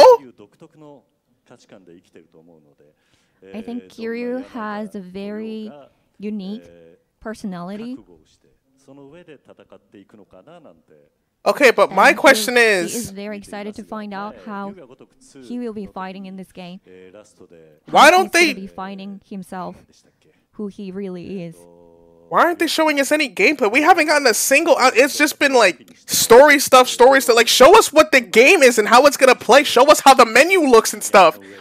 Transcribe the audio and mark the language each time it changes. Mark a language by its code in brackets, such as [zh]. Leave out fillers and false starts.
[en] I think Kiryu has a very unique personality. [ja] その上で戦っていくのかななんて。 [en] Okay, but my question is, he is very excited to find out how he will be fighting in this game. Why don't they be finding himself, who he really is? Why aren't they showing us any gameplay? We haven't gotten a single. It's just been like story stuff. Like, show us what the game is and how it's gonna play. Show us how the menu looks and stuff.